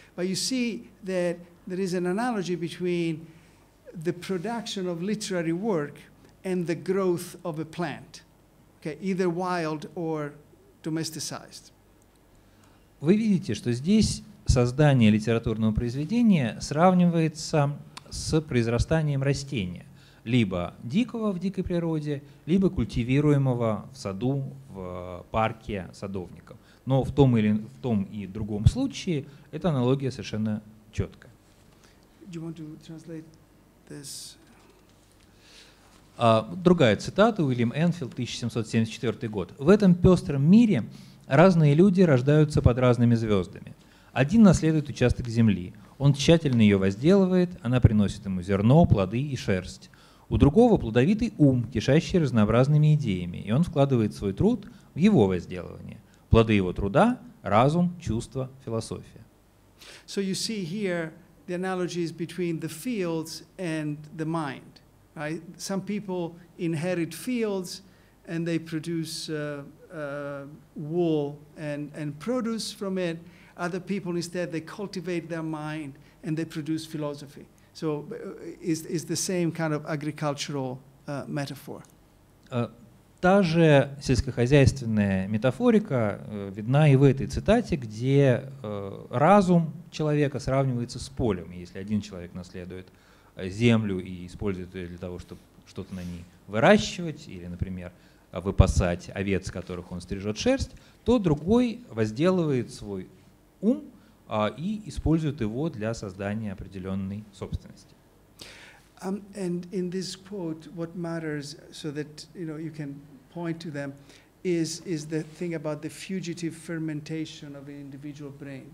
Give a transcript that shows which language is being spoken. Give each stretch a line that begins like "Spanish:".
English: But you see that there is an analogy between the production of literary work and the growth of a plant, okay, either wild or domesticized.
Russian: Вы видите, что здесь создание литературного произведения сравнивается с произрастанием растения, либо дикого в дикой природе, либо культивируемого в саду, в парке садовником. Но в том и другом случае эта аналогия совершенно четкая.
English: Do you want to translate this?
Russian: Другая цитата, Уильям Энфилд, 1774 год. «В этом пестром мире разные люди рождаются под разными звездами. Один наследует участок земли, Он тщательно ее возделывает, она приносит ему зерно, плоды и шерсть. У другого плодовитый ум, кишащий разнообразными идеями, и он вкладывает свой труд в его возделывание. Плоды его труда – разум, чувство, философия.
English: So you see here the analogies between the fields and the mind. Right? Some people inherit fields and they produce wool and produce from it. Other people instead, they cultivate their mind and they produce philosophy. So is the same kind of agricultural metaphor.
Russian: Та же сельскохозяйственная метафорика видна и в этой цитате, где разум человека сравнивается с полем. Если один человек наследует землю и использует ее для того, чтобы что-то на ней выращивать или, например, выпасать овец, которых он стрижет шерсть, то другой возделывает свой ум и использует его для создания определенной собственности.
English: And in this quote, what matters, so that you know you can point to them, is the thing about the fugitive fermentation of an individual brain.